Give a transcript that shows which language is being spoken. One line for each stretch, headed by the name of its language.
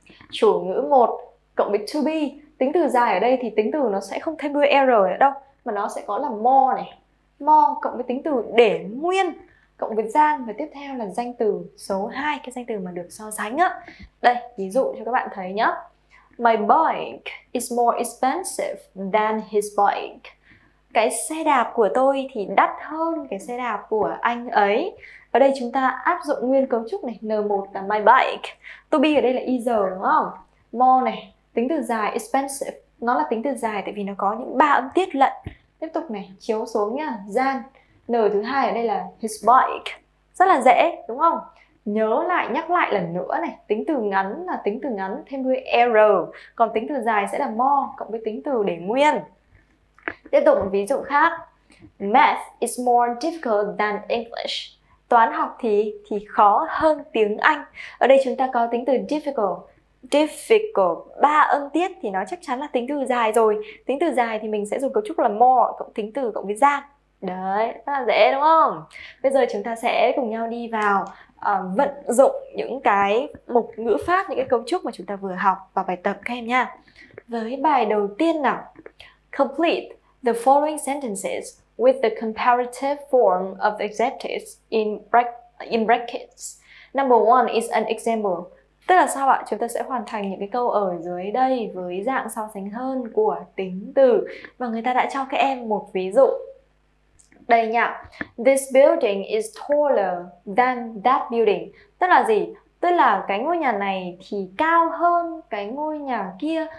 Vietnamese: Chủ ngữ 1 cộng với to be. Tính từ dài ở đây thì tính từ nó sẽ không thêm đuôi er nữa đâu, mà nó sẽ có là more này. More cộng với tính từ để nguyên cộng với gian, và tiếp theo là danh từ số 2, cái danh từ mà được so sánh á. Đây, ví dụ cho các bạn thấy nhá.
English: My bike is more expensive than his bike.
Vietnamese: Cái xe đạp của tôi thì đắt hơn cái xe đạp của anh ấy. Ở đây chúng ta áp dụng nguyên cấu trúc này, N1 là my bike, to be ở đây là is đúng không? More này, tính từ dài expensive, nó là tính từ dài tại vì nó có những ba âm tiết lận. Tiếp tục này, chiếu xuống nha, gian, N2 ở đây là his bike. Rất là dễ đúng không? Nhớ lại, nhắc lại lần nữa này, tính từ ngắn là tính từ ngắn thêm đuôi er, còn tính từ dài sẽ là more cộng với tính từ để nguyên. Tiếp tục một ví dụ khác.
English: Math is more difficult than English.
Vietnamese: Toán học thì khó hơn tiếng Anh. Ở đây chúng ta có tính từ difficult. Difficult, ba âm tiết thì nó chắc chắn là tính từ dài rồi. Tính từ dài thì mình sẽ dùng cấu trúc là more cộng tính từ cộng với gian. Đấy, rất là dễ đúng không? Bây giờ chúng ta sẽ cùng nhau đi vào vận dụng những cái mục ngữ pháp, những cái cấu trúc mà chúng ta vừa học vào bài tập các em nha. Với bài đầu tiên nào.
English: Complete the following sentences with the comparative form of adjectives in brackets. Number one is an example.
Vietnamese: Tức là sao ạ? Chúng ta sẽ hoàn thành những cái câu ở dưới đây với dạng so sánh hơn của tính từ. Và người ta đã cho các em một ví dụ. Đây nha.
English: This building is taller than that building.
Vietnamese: Tức là gì? Tức là cái ngôi nhà này thì cao hơn cái ngôi nhà kia.